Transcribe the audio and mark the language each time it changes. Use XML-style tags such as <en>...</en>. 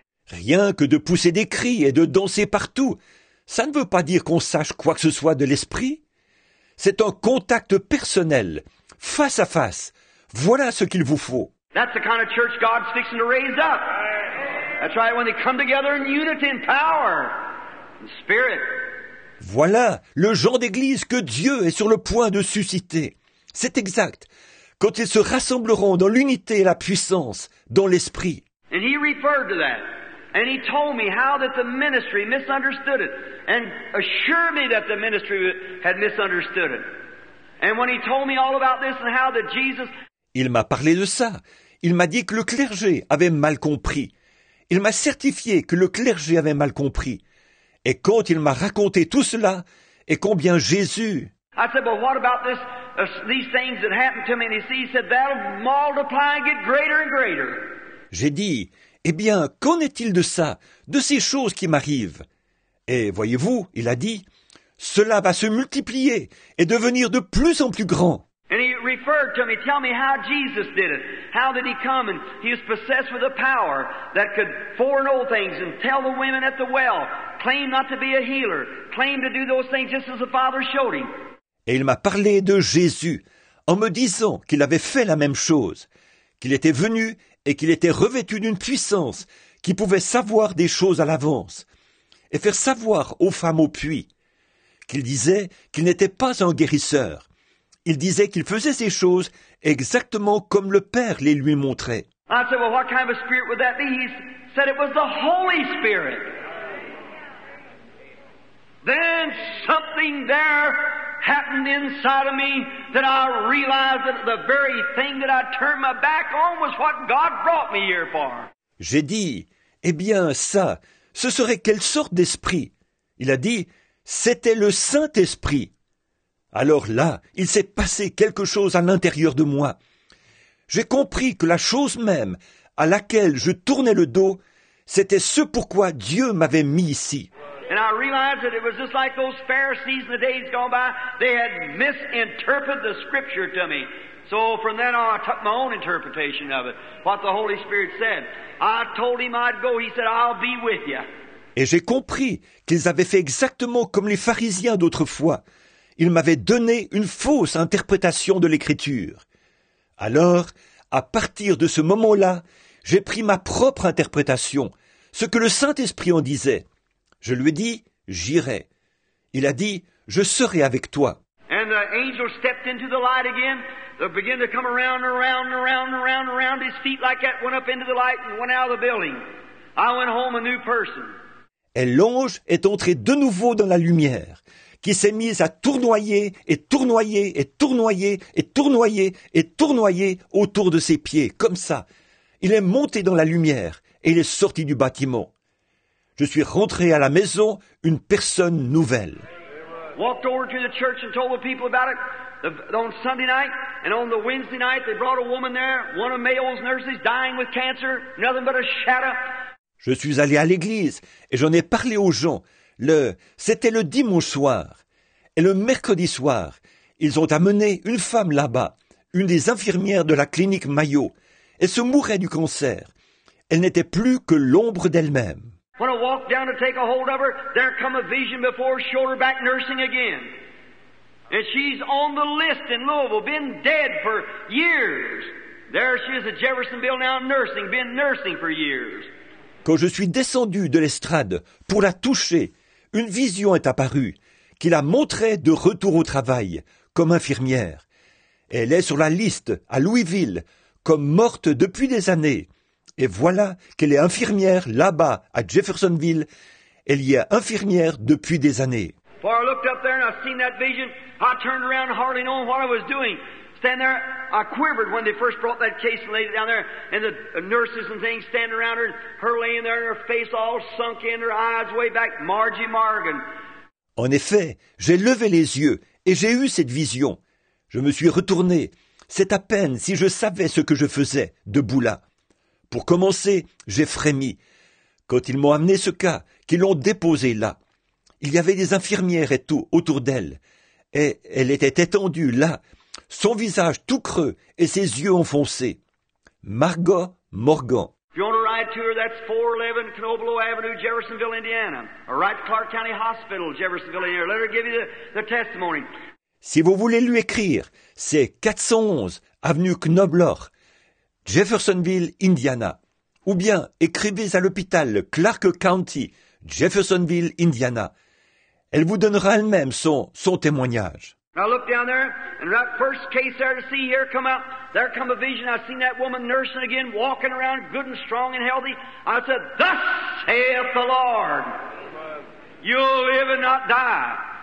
<fr>Rien que de pousser des cris et de danser partout, ça ne veut pas dire qu'on sache quoi que ce soit de l'Esprit. C'est un contact personnel, face à face. Voilà ce qu'il vous faut.</fr> <en>That's the kind of church God's fixing to raise up. That's right, when they come together in unity and power, in spirit.</en> <fr>Voilà le genre d'église que Dieu est sur le point de susciter. C'est exact. Quand ils se rassembleront dans l'unité et la puissance, dans l'esprit.</fr> <en>And he referred to that. And he told me how that the ministry misunderstood it. And assured me that the ministry had misunderstood it. And when he told me all about this and how that Jesus...</en> <fr>Il m'a parlé de ça. Il m'a dit que le clergé avait mal compris. Il m'a certifié que le clergé avait mal compris. Et quand il m'a raconté tout cela, et combien Jésus...</fr> <en>I said, well, what about this, these things that happened to me? And he said, that'll multiply and get greater and greater.</en> <fr>J'ai dit, Eh bien, qu'en est-il de ça, de ces choses qui m'arrivent? Et voyez-vous, il a dit, cela va se multiplier et devenir de plus en plus grand.</fr> <en>And he referred to me, tell me how Jesus did it. How did he come? And he was possessed with a power that could foreknow things and tell the women at the well, claim not to be a healer, claim to do those things just as the Father showed him.</en> <fr>Et il m'a parlé de Jésus en me disant qu'il avait fait la même chose, qu'il était venu et qu'il était revêtu d'une puissance qui pouvait savoir des choses à l'avance et faire savoir aux femmes au puits, qu'il disait qu'il n'était pas un guérisseur. Il disait qu'il faisait ces choses exactement comme le Père les lui montrait.</fr> <en>I said, well, what kind of spirit would that be? He said it was the Holy Spirit. Then something there happened inside of me that I realized that the very thing that I turned my back on was what God brought me here for.</en> <fr>J'ai dit, eh bien, ça, ce serait quelle sorte d'esprit? Il a dit, c'était le Saint-Esprit. Alors là, il s'est passé quelque chose à l'intérieur de moi. J'ai compris que la chose même à laquelle je tournais le dos, c'était ce pourquoi Dieu m'avait mis ici.</fr> <en>And I realized that it was just like those Pharisees in the days gone by, they had misinterpreted the scripture to me. So from then on, I took my own interpretation of it, what the Holy Spirit said. I told him I'd go, he said, I'll be with you.</en> <fr>Et j'ai compris qu'ils avaient fait exactement comme les pharisiens d'autrefois. Il m'avait donné une fausse interprétation de l'Écriture. Alors, à partir de ce moment-là, j'ai pris ma propre interprétation, ce que le Saint-Esprit en disait. Je lui ai dit, j'irai. Il a dit, je serai avec toi.</fr> <en>And the angel stepped into the light again. They began to come around and around and around and around, around his feet like that, went up into the light and went out of the building. I went home a new person.</en> <fr>Et l'ange est entré de nouveau dans la lumière, qui s'est mise à tournoyer et tournoyer et tournoyer et tournoyer et tournoyer autour de ses pieds, comme ça. Il est monté dans la lumière et il est sorti du bâtiment. Je suis rentré à la maison, une personne nouvelle.</fr> <en>Walked over to the church and told the people about it on Sunday night. And on the Wednesday night, they brought a woman there, one of Mayo's nurses, dying with cancer, nothing but a shadow.</en> <fr>Je suis allé à l'église et j'en ai parlé aux gens. C'était le dimanche soir. Et le mercredi soir, ils ont amené une femme là-bas, une des infirmières de la clinique Mayo. Elle se mourait du cancer. Elle n'était plus que l'ombre d'elle-même.</fr> <en>When I walked down to take a hold of her, there come a vision before her, showed her back nursing again. And she's on the list in Louisville, been dead for years. There she is at Jeffersonville now nursing, been nursing for years.</en> <fr>Quand je suis descendu de l'estrade pour la toucher, une vision est apparue qui la montrait de retour au travail comme infirmière. Elle est sur la liste à Louisville comme morte depuis des années. Et voilà qu'elle est infirmière là-bas à Jeffersonville. Elle y est infirmière depuis des années.</fr> <en>Before I looked up there and I seen that vision, I turned around and hardly knowing what I was doing. Stand there, I quivered when they first brought that case and laid it down there, and the nurses and things standing around her, her laying there, and her face all sunk in, her eyes way back, Margie Morgan.</en> <fr>En effet, j'ai levé les yeux et j'ai eu cette vision. Je me suis retourné. C'est à peine si je savais ce que je faisais, debout là. Pour commencer, j'ai frémi. Quand ils m'ont amené ce cas, qu'ils l'ont déposé là, il y avait des infirmières et tout autour d'elle, et elle était étendue là, son visage tout creux et ses yeux enfoncés. Margot Morgan.</fr> <en>If you want to ride to her, that's 411 Canobolo Avenue, Jeffersonville, Indiana. Or ride to Clark County Hospital, Jeffersonville, Indiana. Let her give you the testimony.</en> <fr>Si vous voulez lui écrire, c'est 411 Avenue Knobloch, Jeffersonville, Indiana. Ou bien écrivez à l'hôpital Clark County, Jeffersonville, Indiana. Elle vous donnera elle-même son témoignage.</fr> <en>I looked down there, and that first case there to see here come out, there come a vision. I seen that woman nursing again, walking around good and strong and healthy. I said, thus saith the Lord, you'll live and not die.</en>